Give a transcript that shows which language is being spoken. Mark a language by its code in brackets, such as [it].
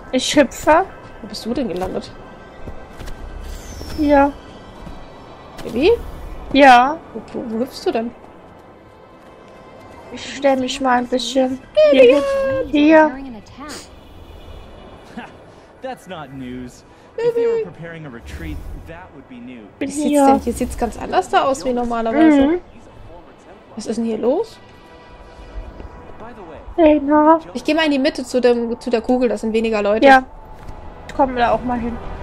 [de] Ich hüpfe. Wo bist du denn gelandet? Ja. Baby? Ja. Wo hüpfst du denn? Ich stelle mich mal ein bisschen hier. [en] That's not news. If you were preparing a retreat, that would be new. [de] Hier sieht's ganz anders da aus wie normalerweise. Mhm. Was ist denn hier los? Hey, na. Ich gehe mal in die Mitte zu der Kugel, da sind weniger Leute. Ja. Ich komme da auch mal hin.